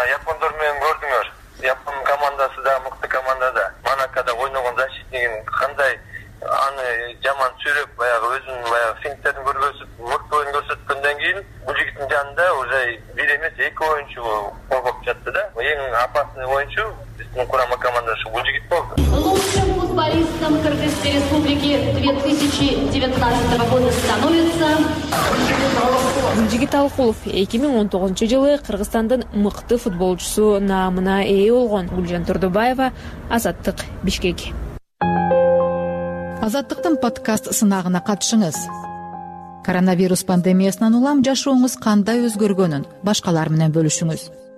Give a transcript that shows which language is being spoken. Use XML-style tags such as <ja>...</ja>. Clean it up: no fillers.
<ky>Япондор менен көрдүңөр. Япон командасы да мыкты команда да. Монакода ойногон защитнигин кандай аны жаман сүйрөп, баягы өзүнүн баягы финттерин көргөзүп, мыкты оюн көрсөткөндөн кийин Гүлжигиттин жанында уже бир эмес 2 оюнчу коргоп жатты да. Эң опасный оюнчу биздин курама командасы Гүлжигит болду.</ky> <ru>Футболистом Кыргызской Республики 2019 года становится...</ru> <ky>Гүлжигит Алыкулов 2019 жылы Кыргызстандын мыкты футболчусу наамына ээ болгон. Гүлжан Турдубаева, Азаттык, Бишкек. Азаттыктын подкаст сынагына катышыңыз. Коронавирус пандемиясынан улам жашооңуз кандай өзгөргөнүн башкалар менен бөлүшүңүз.</ky>